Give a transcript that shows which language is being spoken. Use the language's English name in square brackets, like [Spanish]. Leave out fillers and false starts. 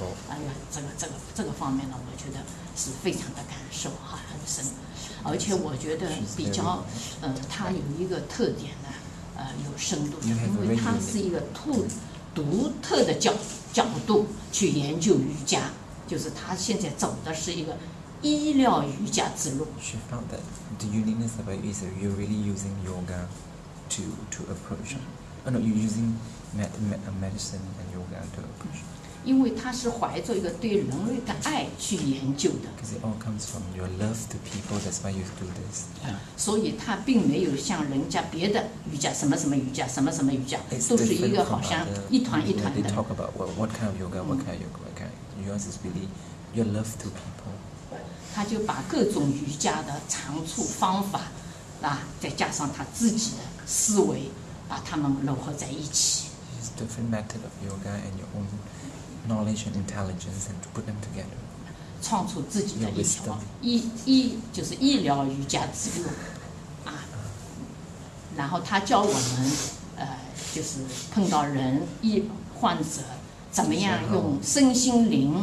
[Chinese] 哎呀，这个方面呢，我觉得是非常的感受哈，很深。而且我觉得比较他有一个特点呢，有深度的，因为他是一个独特的角度去研究瑜伽，就是他现在走的是一个医疗瑜伽之路。 [English] She found that the uniqueness about you is that you're really using yoga to approach. Oh no, you're using medicine and yoga to approach. [Chinese] 因为他是怀着一个对人类的爱去研究的。 [English] Because it all comes from your love to people. That's why you do this. [Chinese] 所以他并没有像人家别的瑜伽什么什么瑜伽什么什么瑜伽，都是一个好像一团一团的。 [English] They talk about what kind of yoga, what kind of yoga, what kind. Yours is really your love to people. [Chinese] 他就把各种瑜伽的长处方法啊，再加上他自己的思维，把他们融合在一起。 [English] It's different method of yoga and your own knowledge and intelligence and to put them together. [Chinese] 创出自己的一条医就是医疗瑜伽之路啊。然后他教我们就是碰到人医患者怎么样用身心灵。